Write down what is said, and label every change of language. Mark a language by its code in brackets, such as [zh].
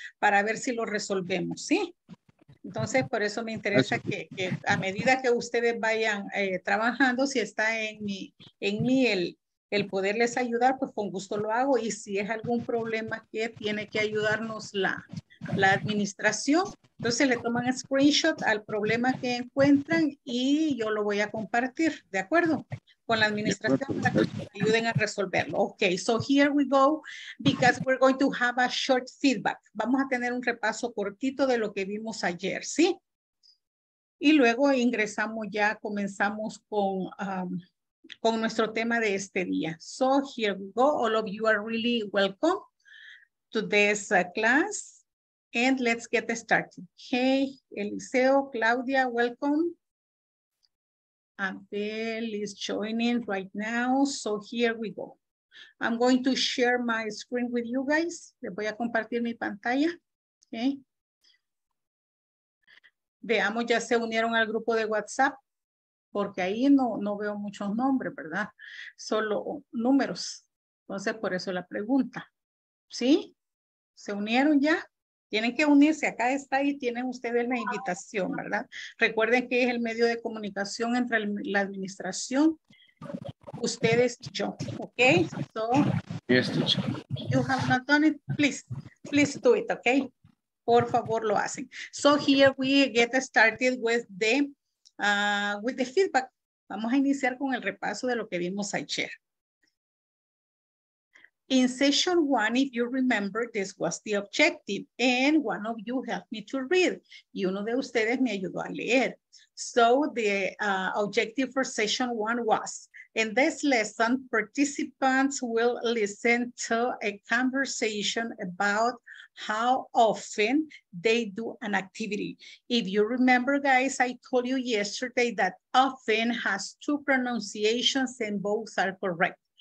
[es] Para ver si lo resolvemos, ¿sí? Entonces, por eso me interesa que a medida que ustedes vayan trabajando, si está en mí el poderles ayudar, pues con gusto lo hago. Y si es algún problema que tiene que ayudarnos la administración, entonces le toman screenshot al problema que encuentran y yo lo voy a compartir, ¿de acuerdo? Con la administración para que me ayuden a resolverlo. [en] Okay, so here we go, because we're going to have a short feedback. [es] Vamos a tener un repaso cortito de lo que vimos ayer, ¿sí? Y luego ingresamos ya, comenzamos con nuestro tema de este día. [en] So here we go, all of you are really welcome to this class. And let's get started. Hey, Eliseo, Claudia, welcome. Abel is joining right now. So here we go. I'm going to share my screen with you guys. Les voy a compartir mi pantalla. Okay. [es] Veamos, ya se unieron al grupo de WhatsApp, porque ahí no veo muchos nombres, ¿verdad? Solo números. Entonces, por eso la pregunta. ¿Sí? ¿Se unieron ya? Tienen que unirse, acá está y tienen ustedes la invitación, ¿verdad? Recuerden que es el medio de comunicación entre la administración, ustedes y yo, ¿ok? [en] So, yes, teacher. If you have not done it, please do it, ¿ok? [es] Por favor, lo hacen. [en] So here we get started with the feedback. [es] Vamos a iniciar con el repaso de lo que vimos ayer. [en] In session one, if you remember, this was the objective, and one of you helped me to read. [es] Y uno de ustedes me ayudó a leer. [en] So the objective for session one was, in this lesson, participants will listen to a conversation about how often they do an activity. If you remember, guys, I told you yesterday that often has two pronunciations and both are correct.